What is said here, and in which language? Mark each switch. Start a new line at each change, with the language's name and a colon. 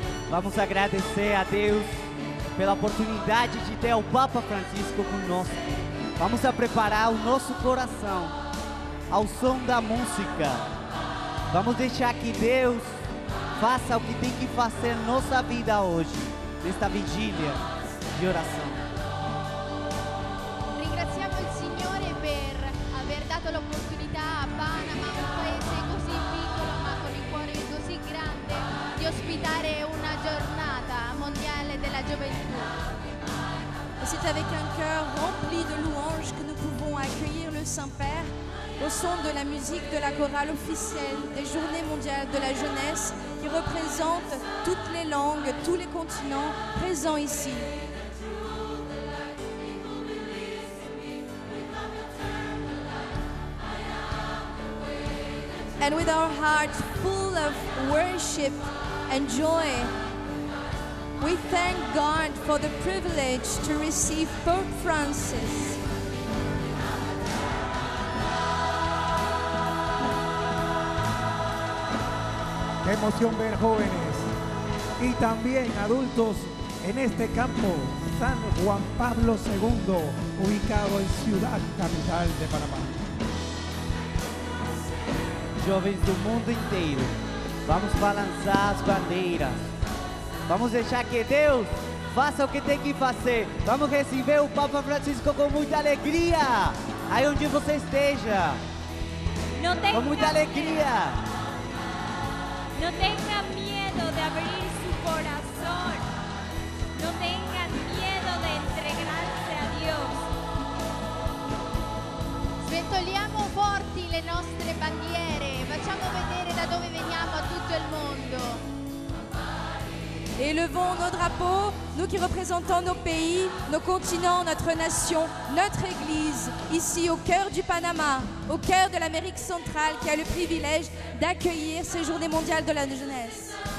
Portuguese: Vamos a agradecer a Deus pela oportunidade de ter o Papa Francisco conosco. Vamos a preparar o nosso coração ao som da música. Vamos deixar que Deus faça o que tem que fazer nossa vida hoje, nesta vigília de oração.
Italian: Ringraziamo il Signore per aver dato l'opportunità a Panama, un paese così piccolo ma con il cuore così grande, di ospitare una giornata mondiale della gioventù.
French: C'est avec un cœur rempli de louanges que nous pouvons accueillir le Saint-Père au son de la musique de la chorale officielle des Journées mondiales de la jeunesse qui représente toutes les langues, tous les continents présents ici.
English: And with our hearts full of worship and joy, we thank God for the privilege to receive Pope Francis.
Spanish: Qué emoción ver jóvenes y también adultos en este campo San Juan Pablo II, ubicado en Ciudad Capital de Panamá. Jóvenes del mundo entero,
Portuguese: vamos a balançar as bandeiras. Vamos deixar que Deus faça o que tem que fazer. Vamos receber o Papa Francisco com muita alegria. Aí onde você esteja. Não tenha com muita alegria. Não tenha medo de abrir seu coração. Não tenha medo de entregar-se a Deus.
Italian: Sventoliamo forti le nostre bandiere. Facciamo vedere da dove veniamo a tutto il mondo.
French: Élevons nos drapeaux, nous qui représentons nos pays, nos continents, notre nation, notre Église, ici au cœur du Panama, au cœur de l'Amérique centrale, qui a le privilège d'accueillir ces Journées mondiales de la jeunesse.